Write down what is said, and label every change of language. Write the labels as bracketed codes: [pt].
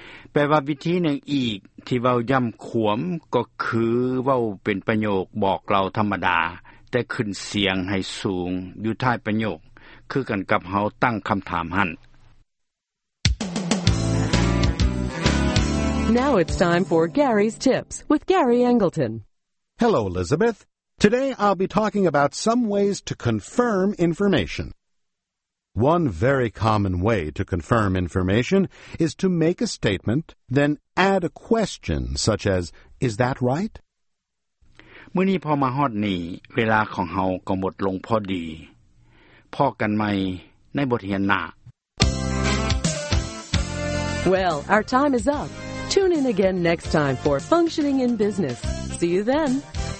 [tts] แปลว่าวิธีหนึ่งอีกที่เว้าย้ำขวมก็คือเว้าเป็นประโยคบอกเราธรรมดาแต่ขึ้นเสียงให้สูงอยู่ท้ายประโยคคือกันกับเฮาตั้งคำถามหั่น [en] Now it's time for Gary's Tips with Gary Angleton. Hello, Elizabeth. Today I'll be talking about some ways to confirm information. One very common way to confirm information is to make a statement, then add a question such as, Is that right? [tts] มื้อนี้พอมาฮอดนี่เวลาของเฮาก็หมดลงพอดีพอกันใหม่ในบทเรียนหน้า [en] Well, our time is up. Tune in again next time for Functioning in Business. See you then.